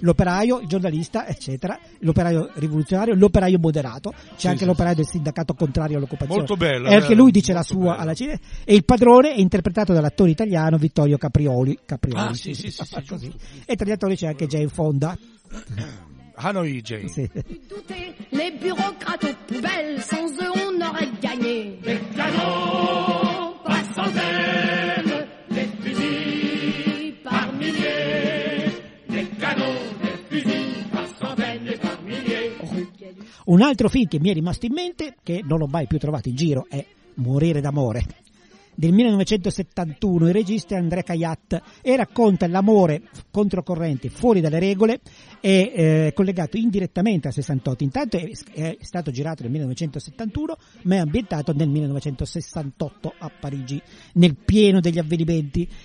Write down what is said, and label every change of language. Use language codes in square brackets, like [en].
[it] L'operaio, il giornalista, eccetera, l'operaio rivoluzionario, l'operaio moderato, c'è sì, anche sì, l'operaio sì. Del sindacato contrario all'occupazione. Molto bello. E anche lui dice la sua bello. Alla cinepresa. E il padrone è interpretato dall'attore italiano Vittorio Caprioli. Caprioli. Ah, sì, sì, sì. E tra gli attori c'è anche Jane Fonda. Hanoi, Jane. Sì. [fr] Douter les bureaucrates aux poubelles, sans eux on aurait gagné. Des canons par centaines, des fusils par milliers. Des canons, des fusils par centaines et par milliers. [it] Un altro film che mi è rimasto in mente, che non ho mai più trovato in giro, è Morire d'amore. Del 1971, il regista è André Cayatt e racconta l'amore controcorrente, fuori dalle regole, è collegato indirettamente al 68. Intanto è stato girato nel 1971, ma è ambientato nel 1968 a Parigi, nel pieno degli avvenimenti.